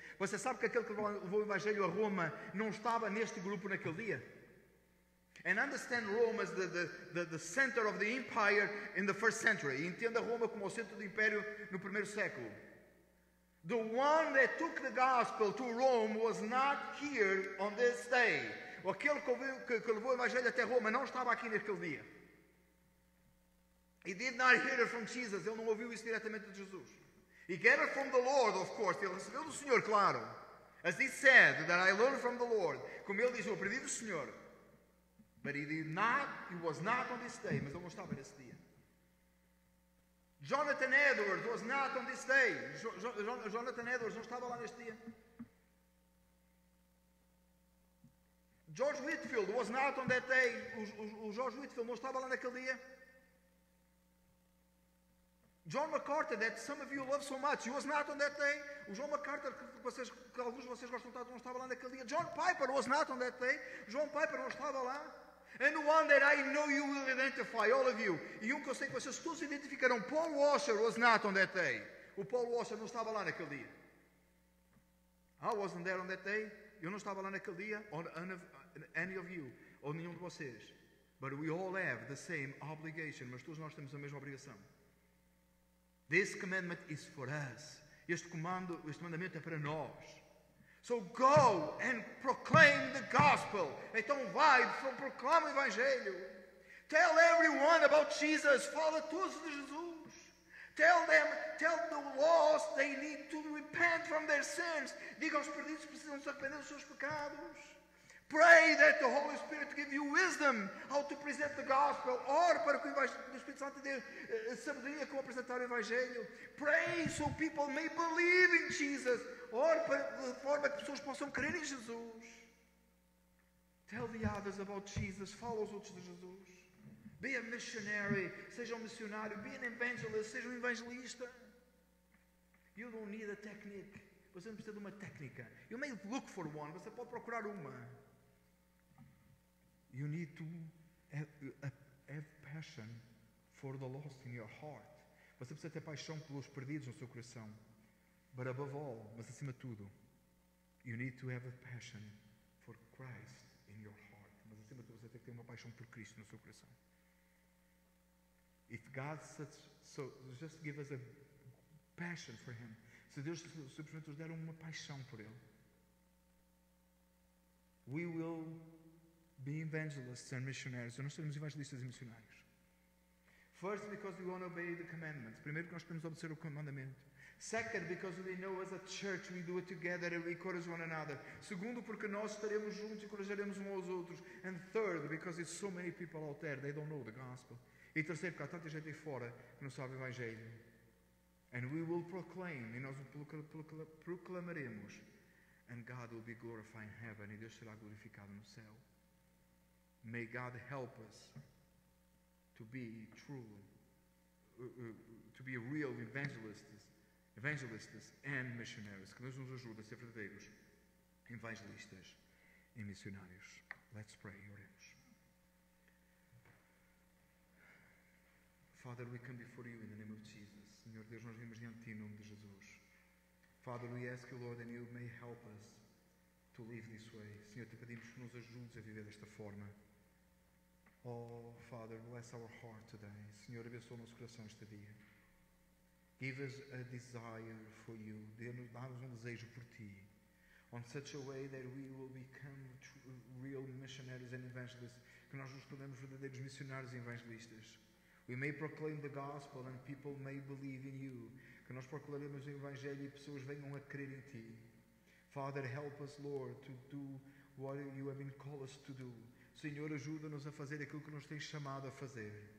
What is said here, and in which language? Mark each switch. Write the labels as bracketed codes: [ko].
[pt] Você sabe que aquele que levou o evangelho a Roma não estava neste grupo naquele dia? [en] And understand Rome as the center of the empire in the first century. [pt] E entenda Roma como o centro do império no primeiro século. [en] The one that took the gospel to Rome was not here on this day. [pt] Aquele que levou o evangelho até Roma não estava aqui naquele dia. [en] He did not hear it from Jesus. [pt] Ele não ouviu isso diretamente de Jesus. [en] He got it from the Lord, of course. [pt] Ele recebeu do Senhor, claro. [en] As he said, that I learned from the Lord. [pt] Como ele diz, eu aprendi do Senhor. [en] But he was not on this day. [pt] Mas ele não estava nesse dia. [en] Jonathan Edwards was not on this day. Jonathan Edwards [pt] não estava lá neste dia. [en] George Whitefield was not on that day. [pt] O George Whitefield não estava lá naquele dia. [en] John MacArthur, that some of you love so much, he was not on that day. [pt] O John MacArthur, que alguns de vocês gostam tanto, não estava lá naquele dia. [en] John Piper was not on that day. John Piper [pt] não estava lá. [en] And one that I know you will identify, all of you. [pt] E um que eu sei que vocês todos identificaram, Paul Washer [en] was not on that day. [pt] O Paul Washer não estava lá naquele dia. [en] I wasn't there on that day. [pt] Eu não estava lá naquele dia, ou nenhum de vocês. [en] But we all have the same obligation. [pt] Mas todos nós temos a mesma obrigação. [en] This commandment is for us. [pt] Este mandamento é para nós. [en] So go and proclaim the gospel. [pt] Então vai, proclama o evangelho. [en] Tell everyone about Jesus. [pt] Fala todos de Jesus. [en] Tell the lost they need to repent from their sins. [pt] Diga aos perdidos que precisam se arrepender dos seus pecados. [en] Pray that the Holy Spirit give you wisdom how to present the gospel. [pt] Ore para que o Espírito Santo dê sabedoria como apresentar o evangelho. [en] Pray so people may believe in Jesus. [pt] Ore para de forma que pessoas possam crer em Jesus. [en] Tell the others about Jesus. [pt] Fala aos outros de Jesus. [en] Be a missionary. [pt] Seja um missionário. [en] Be an evangelist. [pt] Seja um evangelista. [en] You don't need a technique. [pt] Você não precisa de uma técnica. [en] You may look for one. [pt] Você pode procurar uma. [en] You need to have passion for the lost in your heart. [pt] Você precisa ter paixão pelos perdidos no seu coração. [en] But above all, [pt] mas acima de tudo, [en] you need to have a passion for Christ in your heart. [pt] Mas acima de tudo, você tem que ter uma paixão por Cristo no seu coração. [en] God such, so just give us a passion for Him. [pt] Se Deus simplesmente nos der uma paixão por Ele, [en] we will be evangelists and missionaries. [pt] Nós seremos evangelistas e missionários. [en] First, because we want to obey the commandments. [pt] Primeiro, porque nós queremos obedecer o comandamento. [en] Second, because we know as a church we do it together and we encourage one another. [pt] Segundo, porque nós estaremos juntos e encorajaremos uns aos outros. [en] And third, because there's so many people out there, they don't know the gospel. [pt] E terceiro, porque há tanta gente aí fora que não sabe o evangelho. [en] And we will proclaim, [pt] e nós proclamaremos, [en] and God will be glorified in heaven, [pt] e Deus será glorificado no céu. [en] May God help us to be true, to be real evangelists. [pt] Evangelistas and missionaries. Que Deus nos ajude a ser verdadeiros evangelistas e missionários. [en] Let's pray. Oremos. Father, we come before you in the name of Jesus. [pt] Senhor Deus, nós viemos diante de ti em nome de Jesus. [en] Father, we ask you, Lord, and you may help us to live this way. [pt] Senhor, te pedimos que nos ajudes a viver desta forma. [en] Oh, Father, bless our heart today. [pt] Senhor, abençoa o nosso coração este dia. [en] Give us a desire for you. [pt] Dá-nos um desejo por ti. [en] On such a way that we will become real missionaries and evangelists. [pt] Que nós nos tornemos verdadeiros missionários e evangelistas. [en] We may proclaim the gospel and people may believe in you. [pt] Que nós proclamemos o evangelho e pessoas venham a crer em ti. [en] Father, help us, Lord, to do what you have been called us to do. [pt] Senhor, ajuda-nos a fazer aquilo que nos tens chamado a fazer.